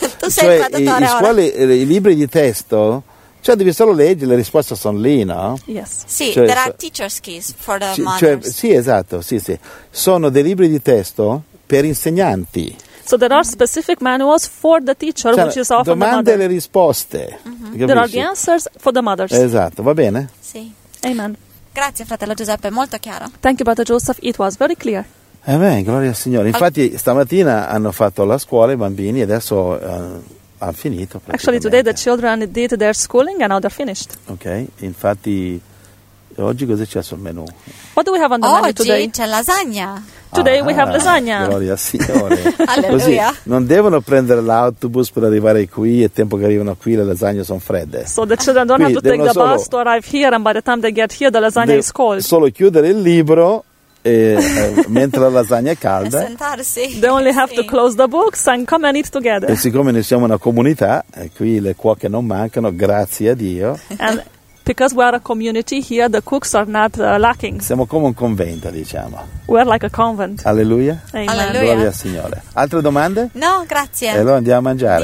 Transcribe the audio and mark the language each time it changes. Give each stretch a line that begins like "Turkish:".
Italian: Cioè, i libri di testo, cioè devi solo leggere, le risposte sono lì, no?
English: Yes.
Italian: Sì, cioè,
English: there are teacher's keys for the mothers.
Italian: Cioè, sì, esatto, sì. Sono dei libri di testo per insegnanti.
English: So there are specific manuals for the teacher,
Italian: cioè,
English: which is often
Italian: domande
English: the mother.
Italian: E le risposte. Mm-hmm.
English: There are the answers for the mothers.
Italian: Esatto, va bene? Sì. Amen. Grazie fratello Giuseppe, molto chiaro.
English: Thank you brother Joseph, it was very clear.
Italian: Amen, gloria al Signore. Infatti stamattina hanno fatto la scuola i bambini e adesso ha finito.
English: Actually today the children did their schooling and now they're finished.
Italian: Ok, infatti oggi cosa c'è sul menù?
English: What do we have on the menu today?
Italian: Oggi c'è lasagna.
English: Today we have lasagna.
Italian: Gloria al Signore. Alleluia. Così, non devono prendere l'autobus per arrivare qui e tempo che arrivano qui le lasagne sono fredde.
English: So the children don't have to take the bus to arrive here and by the time they get here the lasagna is cold.
Italian: Solo chiudere il libro e, mentre la lasagna è calda. Sentarsi.
English: They only have to close the books and come and eat together.
Italian: E siccome noi siamo una comunità, qui le cuoche non mancano, grazie a Dio.
English: And because we are a community here, the cooks are not lacking.
Italian: Siamo come un convento, diciamo.
English: We are like a convent.
Italian: Alleluia. Amen. Alleluia. Gloria al Signore. Altre domande? No, grazie. E allora andiamo a mangiare.